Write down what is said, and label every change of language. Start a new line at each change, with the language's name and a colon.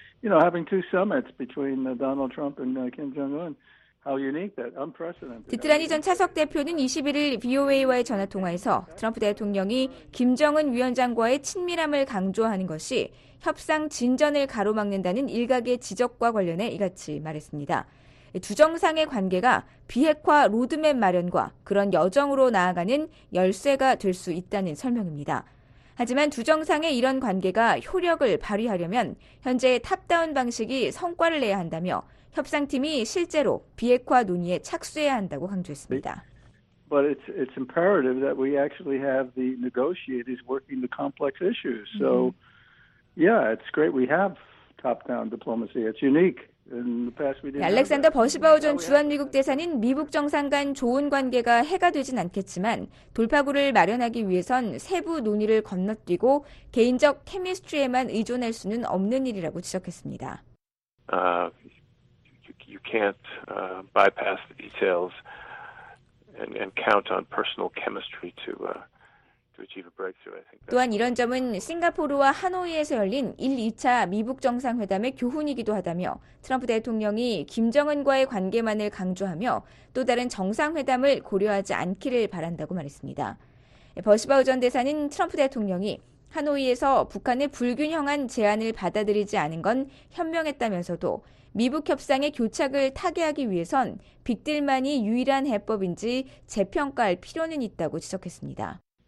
English: You know, having two summits between Donald Trump and Kim Jong-un.
Korean: 디트라니 전 차석 대표는 21일 VOA와의 전화통화에서 트럼프 대통령이 김정은 위원장과의 친밀함을 강조하는 것이 협상 진전을 가로막는다는 일각의 지적과 관련해 이같이 말했습니다. 두 정상의 관계가 비핵화 로드맵 마련과 그런 여정으로 나아가는 열쇠가 될 수 있다는 설명입니다. 하지만 두 정상의 이런 관계가 효력을 발휘하려면 현재의 탑다운 방식이 성과를 내야 한다며 협상팀이 실제로 비핵화 논의에 착수해야 한다고 강조했습니다.
English: But it's imperative that we actually have the negotiators working the complex issues. So yeah, it's great we have top-down diplomacy. It's unique.
Korean: 알렉산더 버시바우 전 주한미국 대사는 미북 정상 간 좋은 관계가 해가 되진 않겠지만 돌파구를 마련하기 위해선 세부 논의를 건너뛰고 개인적 케미스트리에만 의존할 수는 없는 일이라고 지적했습니다.
English: You can't bypass the details and count on personal chemistry to achieve a breakthrough. I think.
Korean: 또한 이런 점은 싱가포르와 하노이에서 열린 1, 2차 미북 정상회담의 교훈이기도 하다며 트럼프 대통령이 김정은과의 관계만을 강조하며 또 다른 정상회담을 고려하지 않기를 바란다고 말했습니다. 버시바우 전 대사는 트럼프 대통령이 하노이에서 북한의 불균형한 제안을 받아들이지 않은 건 현명했다면서도 미북 협상의 교착을 타개하기 위해선 빅딜만이 유일한 해법인지 재평가할 필요는 있다고 지적했습니다.